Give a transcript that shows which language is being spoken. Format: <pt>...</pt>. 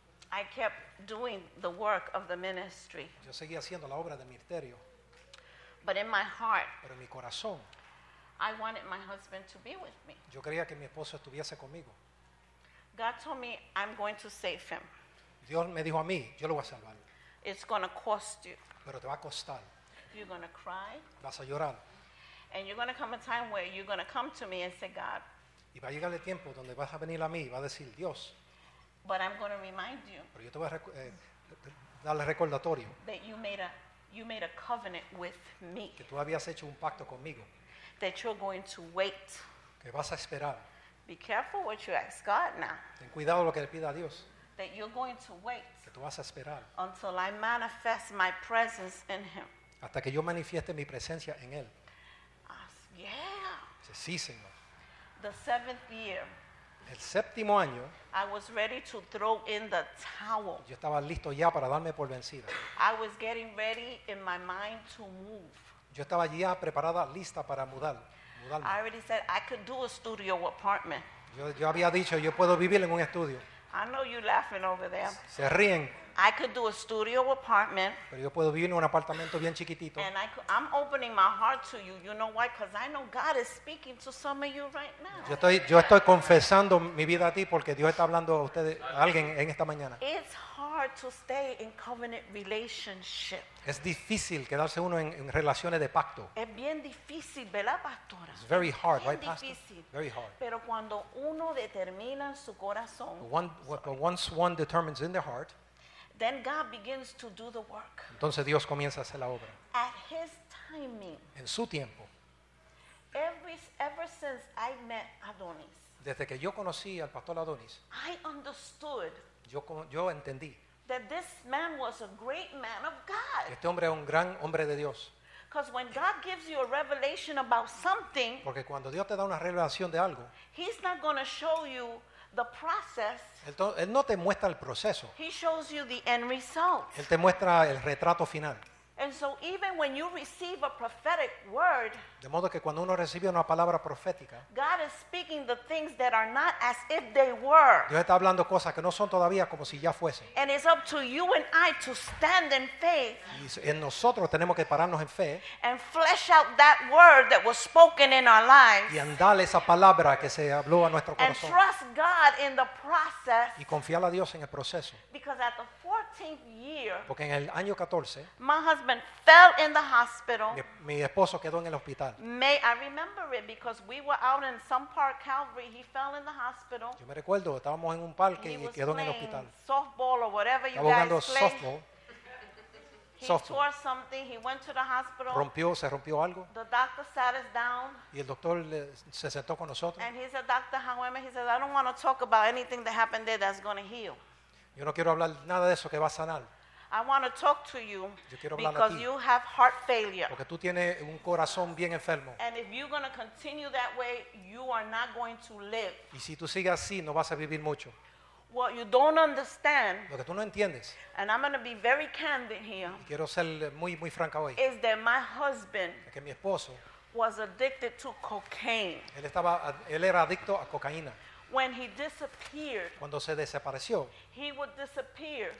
<en>I kept doing the work of the ministry.</en> <es>Yo seguía haciendo la obra de ministerio.</es> <en>But in my heart,</en> <es>pero en mi corazón,</es> <en>I wanted my husband to be with me.</en> <es>Yo quería que mi esposo estuviese conmigo.</es> <en>God told me I'm going to save him.</en> <es>Dios me dijo a mí, yo lo voy a salvar.</es> <en>It's going to cost you.</en> <es>Pero te va a costar.</es> <en>You're going to cry.</en> <es>Vas a llorar.</es> <en>And you're going to come a time where you're going to come to me and say, God.</en> <es>Y va a llegar el tiempo donde vas a venir a mí y vas a decir, Dios.</es> <en>But I'm going to remind you.</en> <es>Pero yo te voy a darle recordatorio.</es> <en>That you made a covenant with me.</en> <es>Que tú habías hecho un pacto conmigo.</es> <en>That you're going to wait.</en> <es>Que vas a esperar.</es> <en>Be careful what you ask God now.</en> <es>Ten cuidado lo que le pida a Dios.</es> <en>That you're going to wait.</en> <es>Que tú vas a esperar.</es> <en>Until I manifest my presence in him.</en> <es>Hasta que yo manifieste mi presencia en él.</es> <en>Yeah.</en> <es>Sí, Señor.</es> <en>The seventh year.</en> <es>El séptimo año.</es> <en>I was ready to throw in the towel.</en> <es>Yo estaba listo ya para darme por vencida.</es> <en>I was getting ready in my mind to move.</en> <es>Yo estaba ya preparada, lista para mudarme.</es> <en>I already said I could do a studio apartment.</en> <es>Yo había dicho yo puedo vivir en un estudio.</es> <en>I know you're laughing over there.</en> <es>Se ríen.</es> <en>I could do a studio apartment.</en> <es>Pero yo puedo vivir en un apartamento bien chiquitito.</es> <en>And I'm opening my heart to you. You know why? Because I know God is speaking to some of you right now.</en> <es>Yo estoy confesando mi vida a ti porque Dios está hablando a ustedes, a alguien en esta mañana.</es> <en>It's hard to stay in covenant relationship.</en> <es>Es difícil quedarse uno en relaciones de pacto. Es bien difícil, ¿verdad, pastora?</es> <en>It's very hard,</en> <es>bien difícil.</es> <en>Pastor? Very hard.</en> <es>Pero cuando uno determina su corazón.</es> <en>But once one determines in their heart. Then God begins to do the work.</en> <es>Entonces Dios comienza a hacer la obra.</es> <en>At His timing.</en> <es>En su tiempo.</es> <en>Ever since I met Adonis.</en> <es>Desde que yo conocí al pastor Adonis.</es> <en>I understood.</en> <es>Yo entendí.</es> <en>That this man was a great man of God.</en> <es>Este hombre es un gran hombre de Dios.</es> <en>Because when God gives you a revelation about something.</en> <es>Porque cuando Dios te da una revelación de algo.</es> <en>He's not going to show you the process.</en> <es>Él no te muestra el proceso.</es> <en>He shows you the end result.</en> <es>Él te muestra el retrato final.</es> <en>And so even when you receive a prophetic word.</en> <es>De modo que cuando uno recibe una palabra profética.</es> <en>God is speaking the things that are not as if they were.</en> <es>Dios está hablando cosas que no son todavía como si ya fuesen.</es> <en>And it's up to you and I to stand in faith.</en> <es>Y en nosotros tenemos que pararnos en fe.</es> <en>And flesh out that word that was spoken in our lives.</en> <es>Y andar esa palabra que se habló a nuestro corazón.</es> <en>And trust God in the process.</en> <es>Y confiar a Dios en el proceso.</es> <en>Because at the 14th year.</en> <es>Porque en el año 14.</es> <en>My husband fell in the hospital.</en> <es>Mi esposo quedó en el hospital.</es> <en>May I remember it because we were out in some park, Calvary. He fell in the hospital.</en> <es>Yo me recuerdo, estábamos en un parque</es> <en>he</en> <es>y quedó en el hospital.</es> <en>Softball or whatever you</en> <es>estaba</es> <en>guys</en> <es>jugando</es> <en>play. Softball. He softball. Tore something. He went to the hospital.</en> <es>Se rompió algo.</es> <en>The doctor sat us down.</en> <es>Y el doctor se sentó con nosotros.</es> <en>And he said, Doctor, however, he said, I don't want to talk about anything that happened there that's going to heal.</en> <es>Yo no quiero hablar nada de eso que va a sanar.</es> <en>I want to talk to you because</en> <es>ti,</es> <en>you have heart failure.</en> <es>Porque tú tienes un corazón bien enfermo.</es> <en>And if you're going to continue that way, you are not going to live.</en> <es>Y si tú sigues así, no vas a vivir mucho.</es> <en>What you don't understand,</en> <es>lo que tú no entiendes,</es> <en>and I'm going to be very candid here,</en> <es>y quiero ser muy, muy franca hoy,</es> <en>is that my husband</en> <es>que mi esposo,</es> <en>was addicted to cocaine.</en> <es>Él era adicto a cocaína.</es> <en>When he disappeared,</en> <es>cuando se desapareció,</es> <en>he would disappear.</en>